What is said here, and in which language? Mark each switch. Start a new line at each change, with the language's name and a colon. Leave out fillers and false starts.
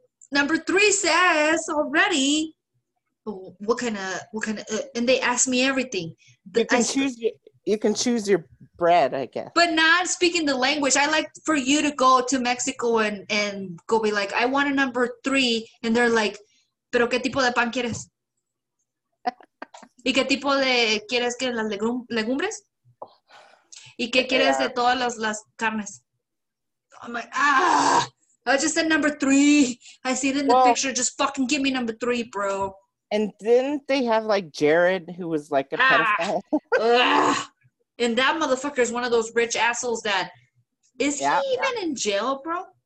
English: Number three says already. What kind of, and they ask me everything. You can choose your bread, I guess. But not speaking the language. I like for you to go to Mexico and go be like, I want a number three. And they're like,
Spanish: pero qué tipo de pan quieres? Y qué tipo de quieres que las legumbres? Y qué quieres de todas las carnes?
English: I'm like, I just said number three. I see it in the picture. Just fucking give me number three, bro. And didn't they have like Jared, who was like a pedophile? And that motherfucker is one of those rich assholes that, is he even in jail, bro?